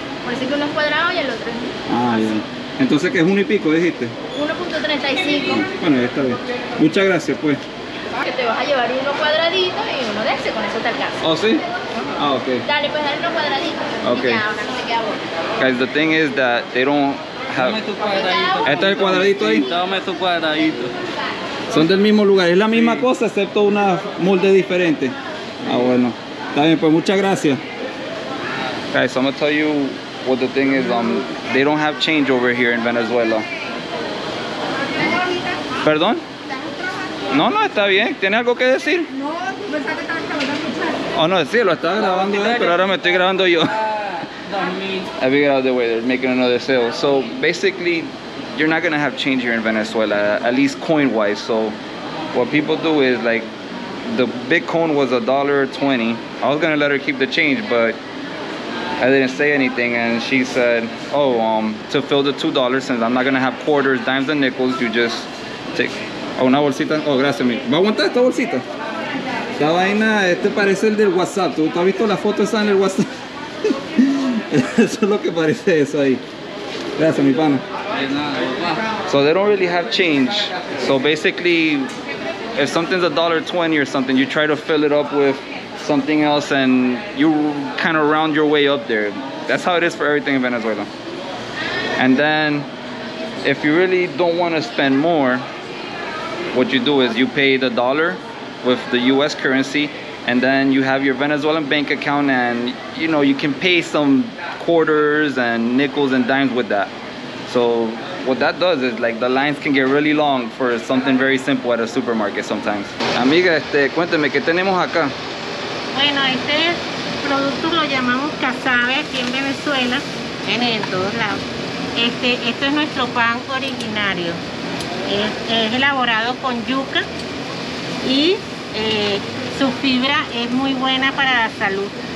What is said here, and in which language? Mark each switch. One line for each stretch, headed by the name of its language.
Spanish: Por eso es que uno es cuadrado y el otro es... Ah, ya. Entonces, ¿qué es uno y pico, dijiste? 1.35. Bueno, ya está bien. Muchas gracias, pues. Que te vas a llevar uno cuadradito y uno de ese, con eso te alcanza. ¿Oh, sí? Ah, ok. Dale, pues dale uno cuadradito. Ok. Y ya, ahora no te queda bueno.
English: Guys, the thing is that they don't have...
Spanish: Toma tu cuadradito. ¿Este es el cuadradito ahí? Toma tu cuadradito. Son del mismo lugar, es la misma cosa, excepto una molde diferente. Ah, bueno. Está bien, pues muchas gracias.
English: Guys, I'm gonna tell you Well, the thing is, they don't have change over here in Venezuela.
Spanish: ¿Perdón? No, no, está bien. ¿Tiene algo que decir? No, pensaba que estaba grabando mucho. Oh, no, sí, lo estaba grabando él, pero ahora me estoy grabando yo.
English: I figured out the way they're making another sale. So basically, you're not going to have change here in Venezuela, at least coin-wise. So what people do is, like, the big coin was $1.20. I was going to let her keep the change, but I didn't say anything. And she said, oh, to fill the $2, since I'm not going to have quarters, dimes, and nickels, you just take...
Spanish: Oh, una bolsita. Oh, gracias, mi. ¿Va a aguantar esta bolsita? La vaina, este parece el del WhatsApp. ¿Tú has visto la foto esa en el WhatsApp? Eso es lo que parece eso ahí. Gracias, mi pana.
English: So they don't really have change. So basically, if something's $1.20 or something, you try to fill it up with something else and you kind of round your way up there. That's how it is for everything in Venezuela. And then, if you really don't want to spend more, what you do is you pay the dollar with the US currency, and then you have your Venezuelan bank account, and you know, you can pay some quarters and nickels and dimes with that. So what that does is, like, the lines can get really long for something very simple at a supermarket sometimes.
Spanish: Amiga, cuéntame, ¿qué tenemos acá? Bueno, este producto lo llamamos casabe aquí en Venezuela, en todos lados. Este es nuestro pan originario. Es elaborado con yuca y su fibra es muy buena para la salud.